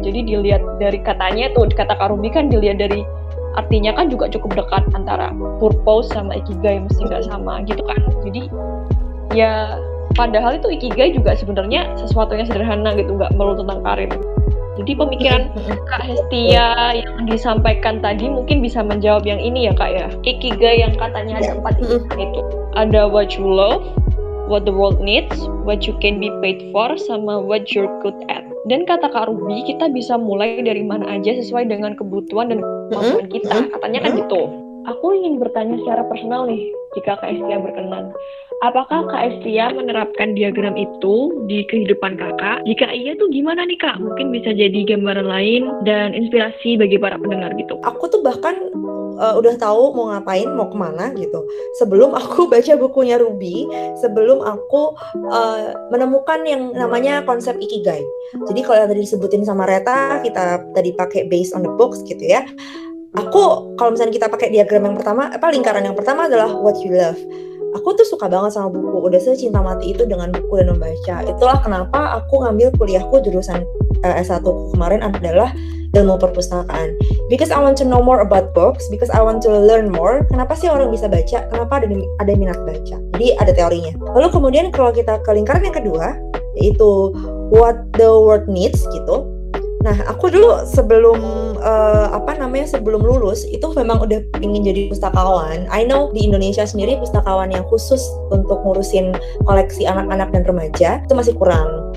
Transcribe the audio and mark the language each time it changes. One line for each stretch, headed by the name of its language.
Indonesian: Jadi dilihat dari katanya tuh, kata Kak Ruby kan dilihat dari artinya kan juga cukup dekat antara purpose sama ikigai, mesti gak sama gitu kan. Jadi ya padahal itu ikigai juga sebenarnya sesuatu yang sederhana gitu, gak melulu tentang karir. Jadi pemikiran Kak Hestia yang disampaikan tadi mungkin bisa menjawab yang ini ya kak ya. Ikigai yang katanya ada empat itu.
English: Ada what you love, what the world needs, what you can be paid for, sama what you're good at.
Indonesian: Dan kata Kak Ruby, kita bisa mulai dari mana aja sesuai dengan kebutuhan dan kemampuan kita. Katanya kan gitu. Aku ingin bertanya secara personal nih, jika Kak Hestia berkenan. Apakah Kak Estia menerapkan diagram itu di kehidupan kakak? Jika iya tuh gimana nih kak? Mungkin bisa jadi gambaran lain dan inspirasi bagi para pendengar gitu. Aku tuh bahkan udah tahu mau ngapain, mau kemana gitu. Sebelum aku baca bukunya Ruby, sebelum aku menemukan yang namanya konsep ikigai. Jadi kalau yang tadi disebutin sama Reta, kita tadi pakai
English: based on the books
Indonesian: gitu ya. Aku kalau misalnya kita pakai diagram yang pertama, apa lingkaran yang pertama adalah
English: what you love.
Indonesian: Aku tuh suka banget sama buku, udah secinta mati itu dengan buku dan membaca. Itulah kenapa aku ngambil kuliahku jurusan S1 kemarin adalah ilmu perpustakaan.
English: Because I want to know more about books, because I want to learn more.
Indonesian: Kenapa sih orang bisa baca? Kenapa ada minat baca? Jadi ada teorinya. Lalu kemudian kalau kita ke lingkaran yang kedua, yaitu
English: what the world needs
Indonesian: gitu. Nah, aku dulu sebelum sebelum lulus itu memang udah ingin jadi pustakawan.
English: I know
Indonesian: di Indonesia sendiri pustakawan yang khusus untuk ngurusin koleksi anak-anak dan remaja itu masih kurang.